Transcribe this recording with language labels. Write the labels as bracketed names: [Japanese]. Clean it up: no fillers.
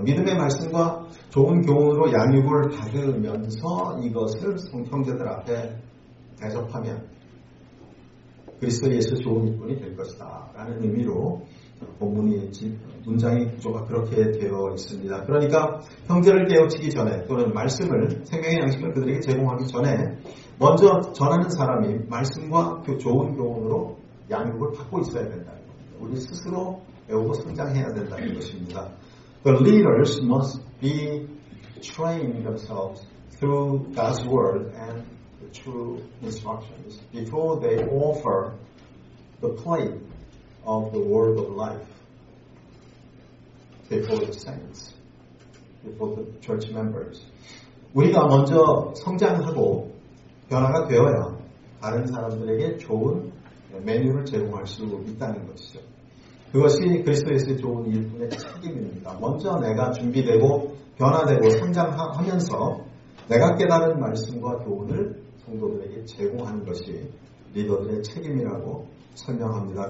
[Korean] 믿음의 말씀과 좋은 교훈으로 양육을 받으면서 이것을 형제들 앞에 대접하면 그리스도 예수 좋은 일꾼이 될 것이다 라는 의미로 본문이 문장의 구조가 그렇게 되어 있습니다. 그러니까 형제를 깨우치기 전에 또는 말씀을 생명의 양식을 그들에게 제공하기 전에 먼저 전하는 사람이 말씀과 그 좋은 교훈으로 양육을 받고 있어야 된다. 우리 스스로 배우고 성장해야 된다는 것입니다. [English] The leaders must be training themselves through God's word and the true instructions before they offer the plate of the word of life before the saints, before the church members. [Korean] 우리가 먼저 성장하고 변화가 되어야 다른 사람들에게 좋은 메뉴를 제공할 수 있다는 것이죠. 그것이 그리스도에서 좋은 일꾼의 책임입니다. 먼저 내가 준비되고 변화되고 성장하면서 내가 깨달은 말씀과 교훈을 성도들에게 제공하는 것이 리더들의 책임이라고 설명합니다.